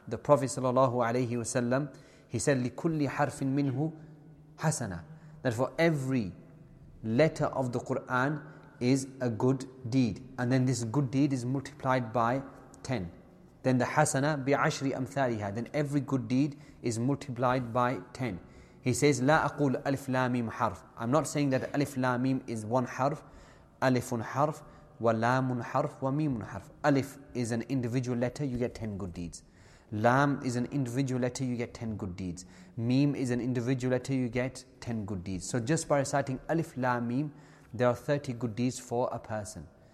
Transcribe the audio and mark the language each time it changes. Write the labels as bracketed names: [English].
[English] The Prophet sallallahu alayhi wasallam, he said, [Arabic] لِكُلِّ حَرْفٍ مِنْهُ حَسَنًا, [English] that for every letter of the Qur'an is a good deed. And then this good deed is multiplied by 10. Then the hasana [Arabic] بِعَشْرِ أَمْثَالِهَا, [English] then every good deed is multiplied by 10. He says, [Arabic] لَا أَقُولْ أَلِفْ لَا مِمْ حَرْف. [English] I'm not saying that [Arabic] أَلِفْ لَا مِمْ [English] is one harf. [Arabic] أَلِفٌ حَرْف وَلَامٌ حَرْف وَمِيمٌ حَرْف. [English] Alif is an individual letter, you get 10 good deeds. Lam is an individual letter, you get 10 good deeds. Meem is an individual letter, you get 10 good deeds. So just by reciting Alif, Lam, Meem, there are 30 good deeds for a person.